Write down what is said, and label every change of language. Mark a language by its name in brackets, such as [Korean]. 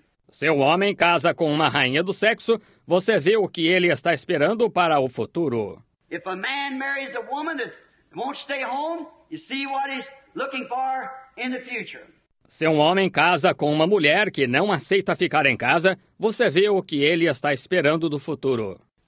[Portuguese] Se um homem casa com uma rainha do sexo, você vê o que ele está esperando para o futuro. [English] If a man marries a woman that won't stay home, you see what he's looking for in the future. [Portuguese] Se um homem casa com uma mulher que não aceita ficar em casa, você vê o que ele está esperando do futuro.